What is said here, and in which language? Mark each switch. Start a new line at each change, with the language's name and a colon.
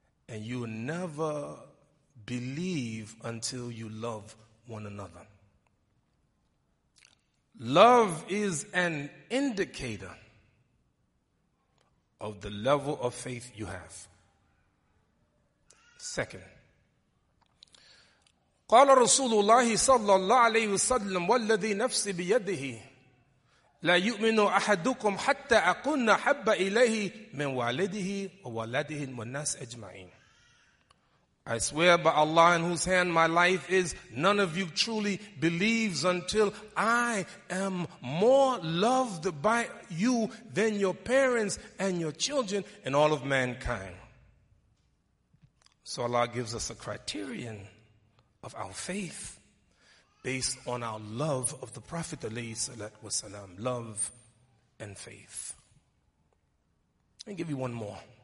English: And you never believe until you love one another. Love is an indicator of the level of faith you have.
Arabic: Second, قال رسول الله صلى الله عليه وسلم والذي نفسي بيده لا يؤمن أحدكم حتى أكون أحب إليه من والده وولده والناس أجمعين.
English: I swear by Allah in whose hand my life is, none of you truly believes until I am more loved by you than your parents and your children and all of mankind. So Allah gives us a criterion of our faith based on our love of the Prophet alayhi salatu wasalam, love and faith. Let me give you one more.